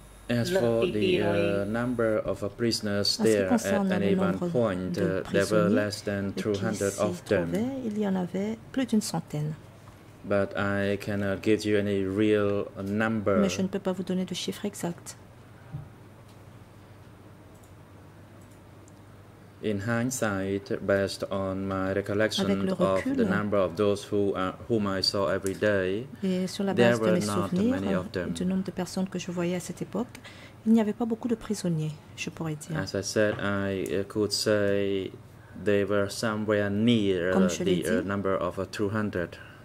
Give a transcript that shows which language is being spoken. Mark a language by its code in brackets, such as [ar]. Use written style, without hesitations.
[en] As for the number of prisoners there at any one point, there were less than 200 of them. [fr] Il y en avait plus d'une centaine. [en] But I cannot give you any real number. [fr] Mais je ne peux pas vous donner de chiffre exact. [en] In hindsight, based on my recollection of the number of those whom I saw every day, there were not many of them. [fr] Du nombre de personnes que je voyais à cette époque, il n'y avait pas beaucoup de prisonniers, je pourrais dire. [en] As I said, I could say they were somewhere near the number of 200.